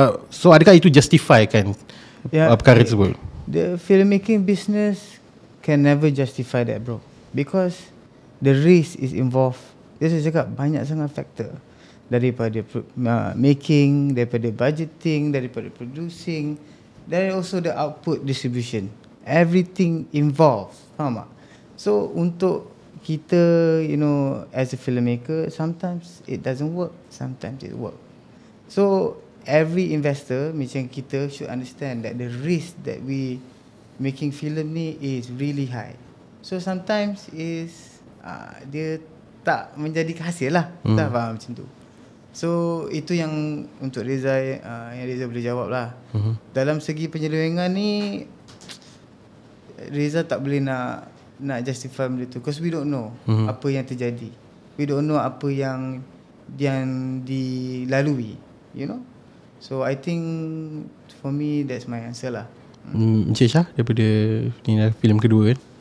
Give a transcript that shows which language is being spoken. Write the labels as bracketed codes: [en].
[ms] So adakah itu justify kan perkara tersebut? [en] The filmmaking business can never justify that, bro, because the risk is involved. [ms] Dia cakap banyak sangat [en] factor, daripada making, daripada budgeting, daripada producing, there also the output distribution, everything involved, [ms] faham tak? [en] So [ms] untuk kita, [en] you know, as a filmmaker, sometimes it doesn't work, sometimes it work. So every investor [ms] macam kita [en] should understand that the risk that we making film ni is really high. [ms] So sometimes is dia tak menjadi hasil lah. Dah faham macam tu. So itu yang untuk Reza, yang Reza boleh jawab lah. Uh-huh. Dalam segi penyelewengan ni, Reza tak boleh nak nak justify benda tu, [en] because we don't know [ms] apa yang terjadi. [en] We don't know [ms] apa yang yang dilalui, [en] you know. So I think for me that's my answer lah. [ms] Encik Shah, daripada ni dah film kedua kan.